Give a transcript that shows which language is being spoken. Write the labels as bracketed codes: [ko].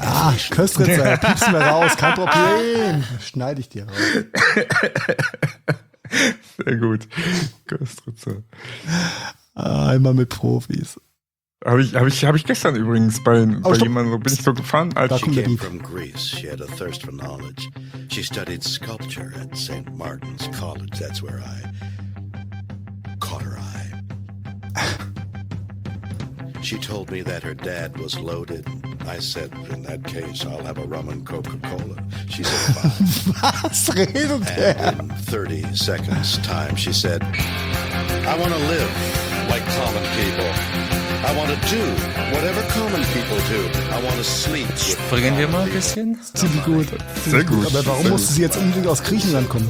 [de] Ah, Köstritzer. Piepst mir raus. Kein Problem. Schneide ich dir raus. Sehr gut. Köstritzer. Einmal mit Profis. Habe ich gestern übrigens bei jemandem, so bin ich so gefahren, als [en] she came from Greece. She had a thirst for knowledge. She studied sculpture at St. Martin's College. That's where I caught her eye. She told me that her dad was loaded. I said, in that case, I'll have a rum and Coca-Cola. She said, fine. [de] Was redet der? [en] In 30 seconds time, she said, I want to live like common people. I want to do whatever common people do. I want to sleep. [de] Springen wir mal ein bisschen? Ziemlich gut. Sehr gut. Aber warum musste sie jetzt unbedingt aus Griechenland kommen?